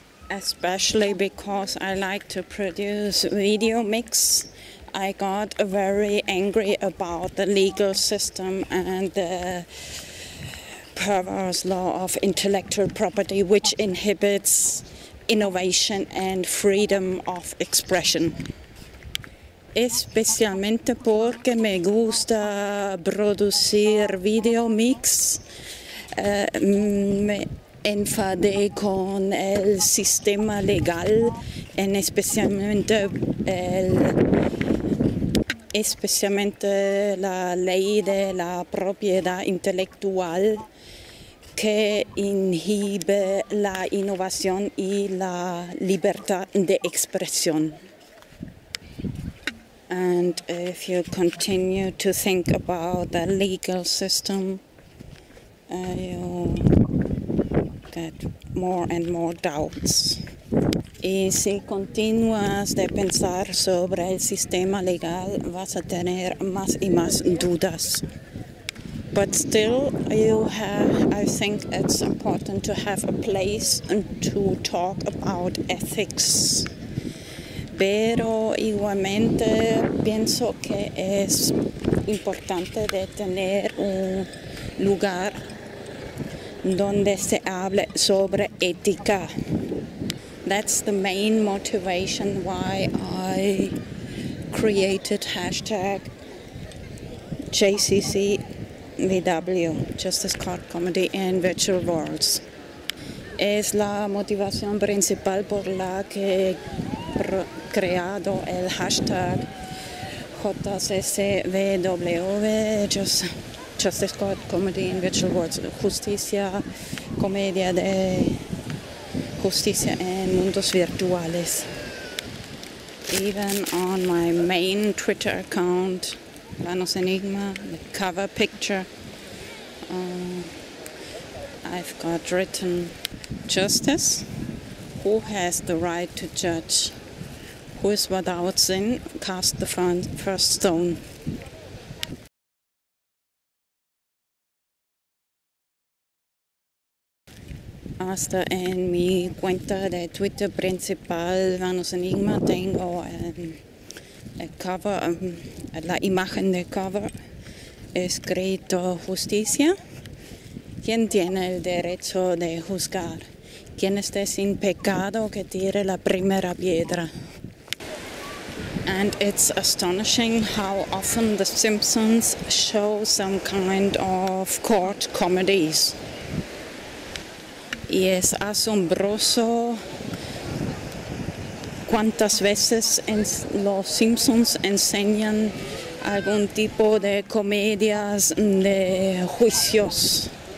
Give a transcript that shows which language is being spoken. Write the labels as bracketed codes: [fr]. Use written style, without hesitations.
[en] Especially because I like to produce video mix, I got very angry about the legal system and the perverse law of intellectual property, which inhibits innovation and freedom of expression. [es] Especialmente porque me gusta producir video mix, me enfadé con el sistema legal, en especialmente la ley de la propiedad intelectual que inhibe la innovación y la libertad de expresión. [en] And if you continue to think about the legal system, you get more and more doubts. [es] Y si continúas de pensar sobre el sistema legal, vas a tener más y más dudas. [en] But still, I think it's important to have a place to talk about ethics. [es] Pero igualmente pienso que es importante de tener un lugar donde se hable sobre ética. [en] That's the main motivation why I created hashtag JCCVW, Justice Court Comedy in Virtual Worlds. [es] Es la motivación principal por la que creado el hashtag JCCVW, Justice Court Comedy in Virtual Worlds, Justicia, Comedia de Justicia en Mundos Virtuales. [en] Even on my main Twitter account, Vanos Enigma, the cover picture, I've got written Justice, who has the right to judge? Who is without sin, cast the first stone. [es] Hasta en mi cuenta de Twitter principal, Vanos Enigma, tengo la imagen de cover escrito Justicia. ¿Quién tiene el derecho de juzgar? ¿Quién esté sin pecado que tire la primera piedra? [en] And it's astonishing how often The Simpsons show some kind of court comedies. [es] Y es asombroso cuántas veces los Simpsons enseñan algún tipo de comedias de juicios.